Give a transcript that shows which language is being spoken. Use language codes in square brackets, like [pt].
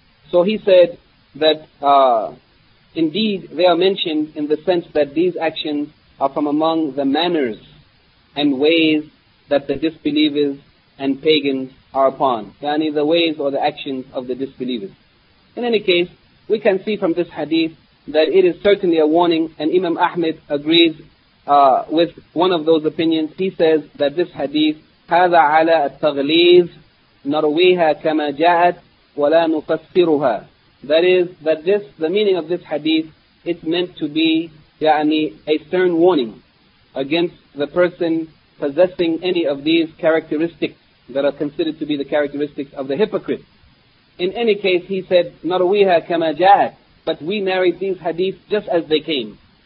[en] So he said that indeed they are mentioned in the sense that these actions are from among the manners and ways that the disbelievers and pagans are upon. Yani the ways or the actions of the disbelievers. In any case, we can see from this hadith that it is certainly a warning, and Imam Ahmed agrees with one of those opinions. He says that this hadith, [ar] هَذَا عَلَى التَّغْلِيظِ نَرْوِيهَا كَمَا جَاءَتْ وَلَا نُفَسِّرُهَا. [en] That is, that this, the meaning of this hadith, it's meant to be يعني, a stern warning against the person possessing any of these characteristics that are considered to be the characteristics of the hypocrite. In any case, he said, [ar] نَرْوِيهَا كَمَا جَاءَتْ. [en] But we narrate these hadiths just as they came.